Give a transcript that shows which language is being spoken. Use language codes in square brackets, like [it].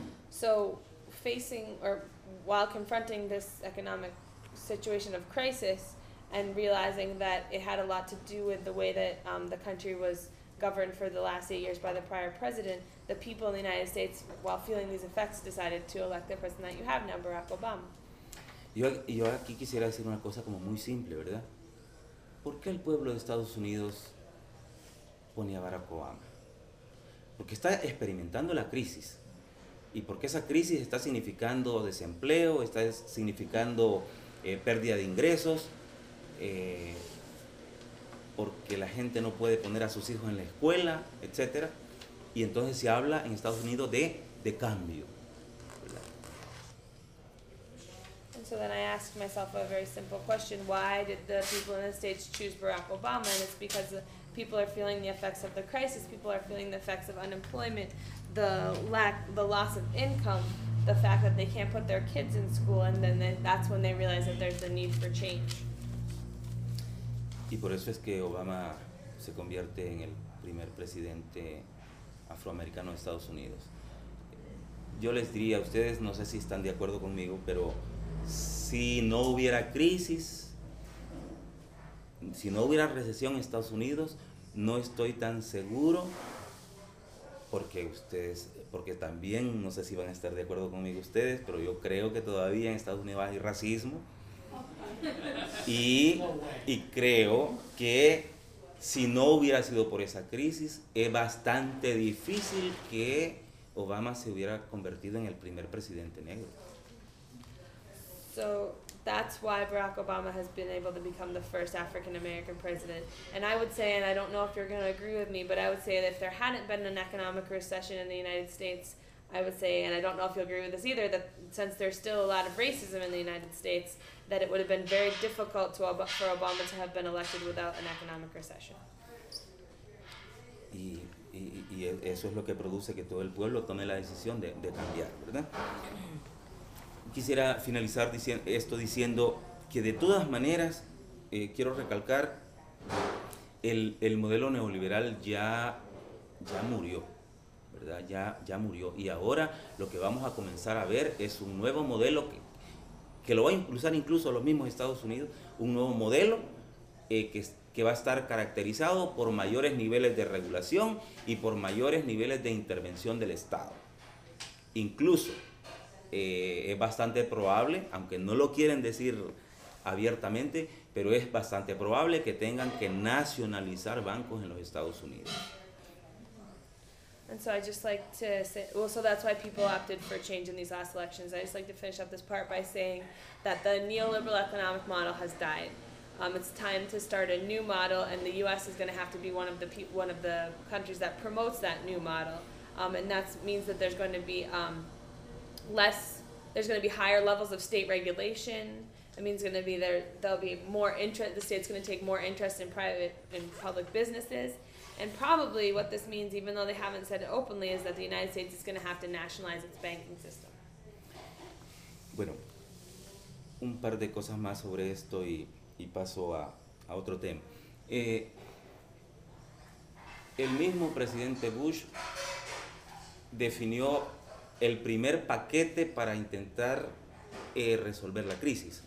[en] So, facing, or while confronting this economic situation of crisis, and realizing that it had a lot to do with the way that the country was governed for the last 8 years by the prior president, the people in the United States, while feeling these effects, decided to elect the president that you have now, Barack Obama. [es] Yo aquí quisiera decir una cosa como muy simple, ¿verdad? ¿Por qué el pueblo de Estados Unidos pone a Barack Obama? Porque está experimentando la crisis. Y porque esa crisis está significando desempleo, está significando pérdida de ingresos, porque la gente no puede poner a sus hijos en la escuela, etc. Y entonces se habla en Estados Unidos de cambio. [en] So then I asked myself a very simple question. Why did the people in the States choose Barack Obama? And it's because people are feeling the effects of the crisis. People are feeling the effects of unemployment, the loss of income, the fact that they can't put their kids in school, and then that's when they realize that there's a need for change. [es] Y por eso es que Obama se convierte en el primer presidente afroamericano de Estados Unidos. Yo les diría a ustedes, no sé si están de acuerdo conmigo, pero si no hubiera crisis, si no hubiera recesión en Estados Unidos, no estoy tan seguro, porque también, no sé si van a estar de acuerdo conmigo ustedes, pero yo creo que todavía en Estados Unidos hay racismo. Y creo que si no hubiera sido por esa crisis, es bastante difícil que Obama se hubiera convertido en el primer presidente negro. [en] So that's why Barack Obama has been able to become the first African-American president. And I would say, and I don't know if you're going to agree with me, but I would say that if there hadn't been an economic recession in the United States, I would say, and I don't know if you'll agree with this either, that since there's still a lot of racism in the United States, that it would have been very difficult for Obama to have been elected without an economic recession. [es] Y eso es lo que produce que todo el pueblo tome la decisión de cambiar, ¿verdad? Quisiera finalizar diciendo que de todas maneras quiero recalcar el modelo neoliberal ya murió, ¿verdad? Ya murió, y ahora lo que vamos a comenzar a ver es un nuevo modelo que lo va a impulsar incluso los mismos Estados Unidos, un nuevo modelo que va a estar caracterizado por mayores niveles de regulación y por mayores niveles de intervención del Estado. Incluso es bastante probable, aunque no lo quieren decir abiertamente, pero es bastante probable que tengan que nacionalizar bancos en los Estados Unidos. [en] And so I just like to say, well, so that's why people opted for change in these last elections. I just like to finish up this part by saying that the neoliberal economic model has died. It's time to start a new model, and the U.S. is going to have to be one of the countries that promotes that new model. And that means that there's going to be there's going to be higher levels of state regulation. It means going to be there'll be more interest. The state's going to take more interest in private and public businesses. And probably what this means, even though they haven't said it openly, is that the United States is going to have to nationalize its banking system. [es] Bueno, un par de cosas más sobre esto y y paso a otro tema. El mismo presidente Bush definió el primer paquete para intentar resolver la crisis.